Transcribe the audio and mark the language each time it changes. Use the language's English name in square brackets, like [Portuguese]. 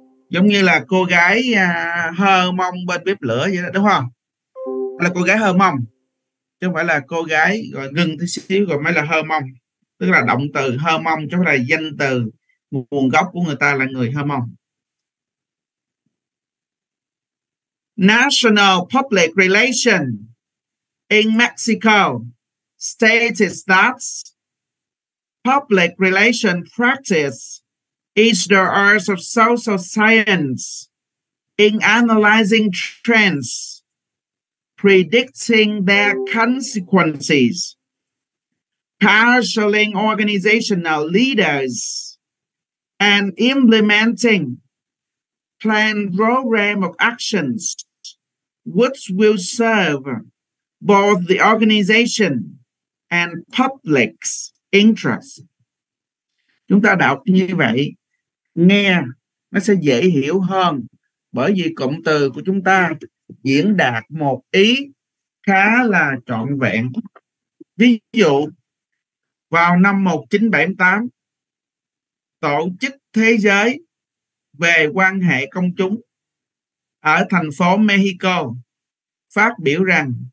[Vietnamese] Giống như là cô gái hơ mông bên bếp lửa vậy đó, đúng không? Là cô gái hơ mông. Chứ không phải là cô gái, rồi ngừng tí xíu rồi mới là hơ mông. Tức là động từ hơ mông, chứ không phải là danh từ. Nguồn gốc của người ta là người hâm mộ. [English] National Public Relations in Mexico states that public relations practice is the art of social science in analyzing trends, predicting their consequences, counseling organizational leaders, and implementing planned program of actions, which will serve both the organization and public's interest. [Vietnamese] Chúng ta đọc như vậy, nghe nó sẽ dễ hiểu hơn, bởi vì cụm từ của chúng ta diễn đạt một ý khá là trọn vẹn. Ví dụ, vào năm 1978, Tổ chức Thế giới về quan hệ công chúng ở thành phố Mexico phát biểu rằng